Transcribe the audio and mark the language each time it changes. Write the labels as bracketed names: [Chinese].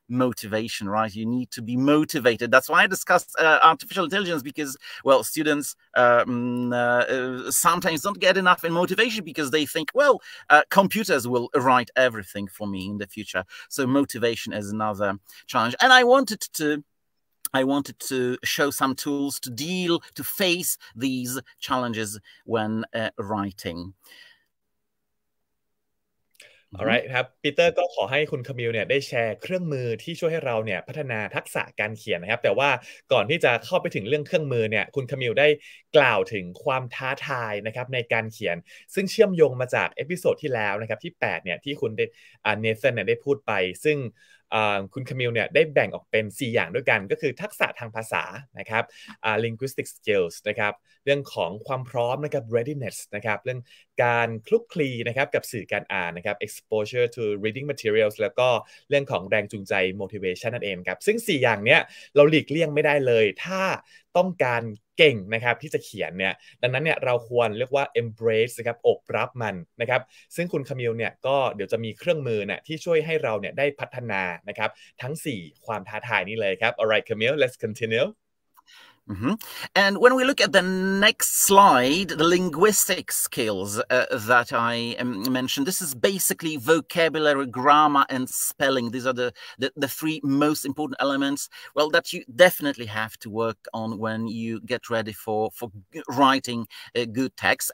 [English] motivation, right? You need to be motivated. That's why I discussed artificial intelligence, because, well, students sometimes don't get enough in motivation because they think, well, computers will write everything for me in the future. So motivation is another challenge. And I wanted to show some tools to deal, to face these challenges when writing. [Thai] All right ครับปีเตอร์ก็ขอให้คุณคามิลเนี่ยได้แชร์เครื่องมือที่ช่วยให้เราเนี่ยพัฒนาทักษะการเขียนนะครับแต่ว่าก่อนที่จะเข้าไปถึงเรื่องเครื่องมือเนี่ยคุณคามิลได้กล่าวถึงความท้าทายนะครับในการเขียนซึ่งเชื่อมโยงมาจากเอพิโซดที่แล้วนะครับที่8เนี่ยที่คุณเนเธอร์เนี่ยได้พูดไปซึ่ง คุณคามิลเนี่ยได้แบ่งออกเป็น4อย่างด้วยกันก็คือทักษะทางภาษานะครับlinguistic skills นะครับเรื่องของความพร้อมนะครับ readiness นะครับเรื่องการคลุกคลีนะครับกับสื่อการอ่านนะครับ [English] exposure to reading materials [Thai] แล้วก็เรื่องของแรงจูงใจ motivation นั่นเองครับซึ่ง4อย่างเนี้ยเราหลีกเลี่ยงไม่ได้เลยถ้า ต้องการเก่งนะครับที่จะเขียนเนี่ยดังนั้นเนี่ยเราควรเรียกว่า embrace นะครับอบรับมันนะครับซึ่งคุณคามิลเนี่ยก็เดี๋ยวจะมีเครื่องมือเนี่ยที่ช่วยให้เราเนี่ยได้พัฒนานะครับทั้ง4ความท้าทายนี้เลยครับ [English] alright Camille let's continue And when we look at the next slide, the linguistic skills that I mentioned, this is basically vocabulary, grammar, and spelling. These are the three most important elements, well, that you definitely have to work on when you get ready for writing a good text.